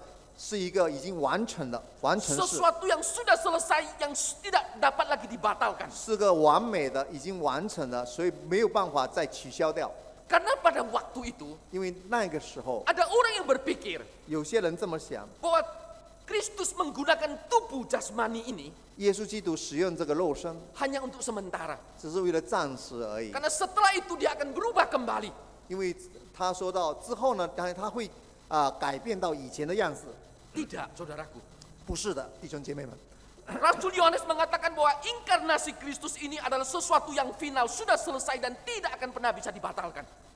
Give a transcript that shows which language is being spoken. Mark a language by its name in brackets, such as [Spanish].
[Chinese] 耶稣基督的道成肉身呢，是一个已经完成的完成式。 [Indonesian] Sesuatu yang sudah selesai yang tidak dapat lagi dibatalkan. [Chinese] 是个完美的，已经完成的，所以没有办法再取消掉。 [Indonesian] Karena pada waktu itu, [Chinese] 因为那个时候, [Indonesian] ada orang yang berpikir, [Chinese] 有些人这么想, [Indonesian] bahwa Kristus menggunakan tubuh jasmani ini, [Chinese] 耶稣基督使用这个肉身, [Indonesian] hanya untuk sementara, [Chinese] 只是为了暂时而已。 [Indonesian] Karena setelah itu dia akan berubah kembali. [Chinese] 因为 他说到之后呢，他会改变到以前的样子。 [Indonesian] Tidak, saudaraku. [Chinese] 不是的, 弟兄姐妹们。 [Indonesian] Rasul Yohanes mengatakan bahwa inkarnasi Kristus ini adalah sesuatu yang final, sudah selesai dan tidak akan pernah bisa dibatalkan.